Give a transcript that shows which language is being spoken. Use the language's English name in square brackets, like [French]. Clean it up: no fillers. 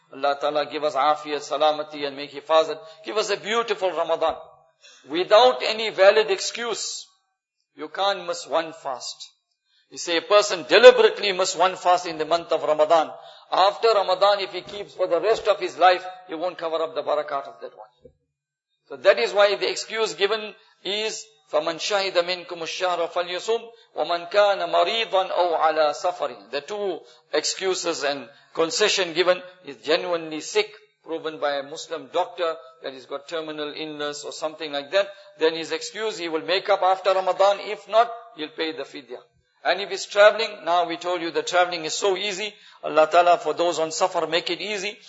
[English] Allah Ta'ala give us afiyat, salamati and make hifazat. Give us a beautiful Ramadan. Without any valid excuse, you can't miss one fast. You say a person deliberately miss one fast in the month of Ramadan. After Ramadan, if he keeps for the rest of his life, he won't cover up the barakat of that one. So that is why the excuse given is, [Arabic] فَمَنْ شَهِدَ مِنْكُمُ الشَّهْرَ فَلْيُصُمْ وَمَنْ كَانَ مَرِيضًا أَوْ عَلَى سَفَرٍ. [English] The two excuses and concession given is genuinely sick, proven by a Muslim doctor that he's got terminal illness or something like that. Then his excuse he will make up after Ramadan. If not, he'll pay the fidya. And if it's traveling, now we told you the traveling is so easy. Allah Ta'ala, for those on Safar, make it easy.